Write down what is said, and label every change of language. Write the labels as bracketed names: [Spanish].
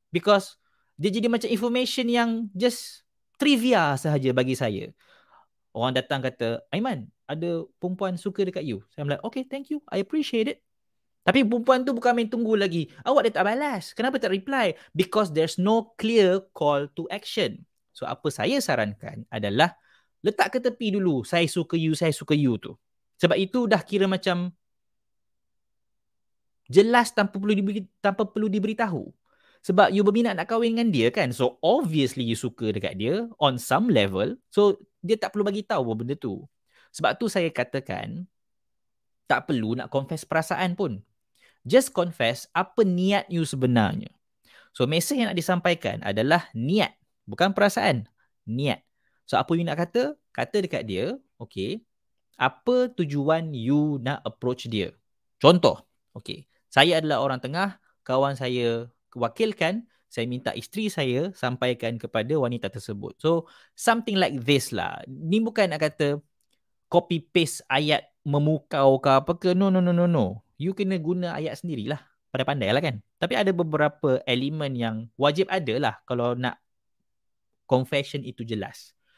[Malay] Because dia jadi macam information yang just trivia sahaja bagi saya. Orang datang kata, Aiman, ada perempuan suka dekat you. [English] So I'm like, okay, thank you. I appreciate it. [Malay] Tapi perempuan tu bukan main tunggu lagi. Awak dah tak balas. Kenapa tak reply? [English] Because there's no clear call to action. [Malay] So apa saya sarankan adalah letak ke tepi dulu, saya suka you tu. Sebab itu dah kira macam jelas tanpa perlu diberitahu. Sebab you berminat nak kahwin dengan dia kan. [English] So obviously [Malay] you suka dekat dia [English] on some level. [Malay] So dia tak perlu bagi tahu pun benda tu. Sebab tu saya katakan tak perlu nak confess perasaan pun. Just confess apa niat you sebenarnya. So message yang nak disampaikan adalah niat. Bukan perasaan. Niat. So apa you nak kata? Kata dekat dia, okay. Apa tujuan you nak approach dia? Contoh, okay. Saya adalah orang tengah, kawan saya wakilkan, saya minta isteri saya sampaikan kepada wanita tersebut. [English] So, something like this lah. [Malay] Ni bukan nak kata copy paste ayat memukau ke apa ke. [English] No. [Malay] You kena guna ayat sendirilah. Pandai-pandai lah kan. Tapi ada beberapa elemen yang wajib ada lah kalau nak confession itu jelas.